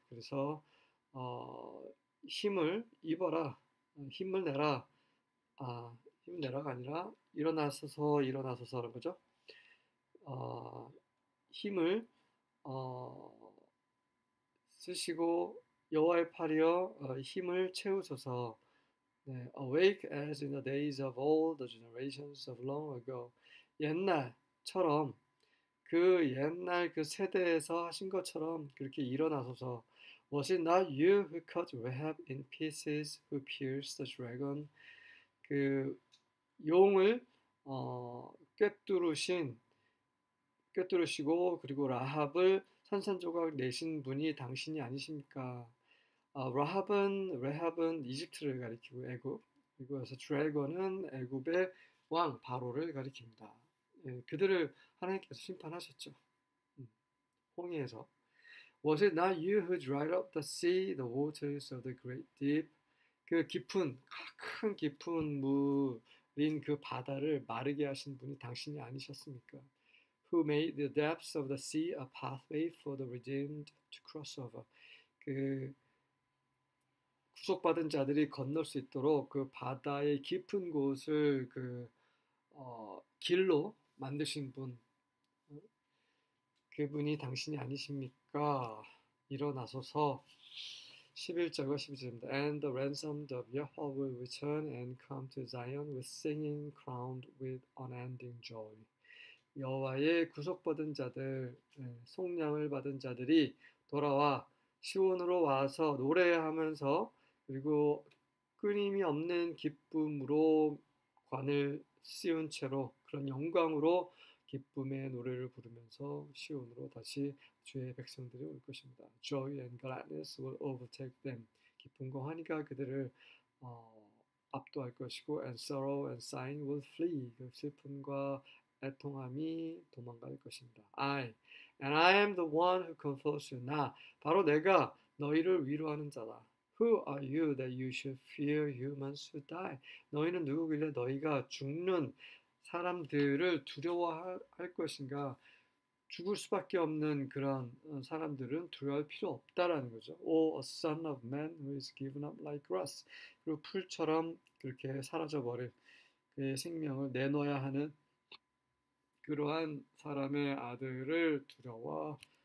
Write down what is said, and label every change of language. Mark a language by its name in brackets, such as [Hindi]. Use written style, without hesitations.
[Korean] 그래서 힘을 입어라, 힘을 내라. 힘을 내라가 아니라 일어나서서, 일어나서서라는 거죠. 힘을 쓰시고 여호와의 팔이여 힘을 채우소서. [English] 네, awake as in the days of old, the generations of long ago. [Korean] 옛날처럼, 그 옛날 그 세대에서 하신 것처럼 그렇게 일어나소서. [English] Was it not you who cut Rahab in pieces, who pierced the dragon? [Korean] 그 용을 꿰뚫으시고 그리고 라합을 산산조각 내신 분이 당신이 아니십니까? 라합은 이집트를 가리키고 애굽, 그리고서 드래곤은 애굽의 왕 바로를 가리킵니다. 예, 그들을 하나님께서 심판하셨죠. 홍해에서. [English] Was it not you who dried up the sea, the waters of the great deep? [Korean] 그 깊은, 큰 깊은 물인 그 바다를 마르게 하신 분이 당신이 아니셨습니까? [English] Who made the depths of the sea a pathway for the redeemed to cross over? [Korean] 그 구속받은 자들이 건널 수 있도록 그 바다의 깊은 곳을 그 길로 만드신 분, 그분이 당신이 아니십니까? 일어나소서. 11절과 12절입니다. [English] And the ransomed of Yahweh will return and come to Zion with singing, crowned with unending joy. [Korean] 여호와의 구속받은 자들, 속량을 받은 자들이 돌아와 시온으로 와서 노래하면서 그리고 끊임이 없는 기쁨으로 관을 씌운 채로 그런 영광으로 기쁨의 노래를 부르면서 시온으로 다시 주의 백성들이 올 것입니다. [English] Joy and gladness will overtake them. [Korean] 기쁨과 환희가 그들을 압도할 것이고 [English] and sorrow and sighing will flee. [Korean] 그 슬픔과 애통함이 도망갈 것입니다. [English] I am the one who comforts you. [Korean] 나, 바로 내가 너희를 위로하는 자다. [English] Who are you that you should fear humans who die? [Korean] 너희는 누구길래 너희가 죽는 사람들을 두려워할 것인가? 죽을 수밖에 없는 그런 사람들은 두려워할 필요 없다라는 거죠. [English] Oh, a son of man who is given up like grass. [Korean] 그리고 풀처럼 그렇게 사라져버릴 그의 생명을 내놓아야 하는 그러한 사람의 아들을 두려워.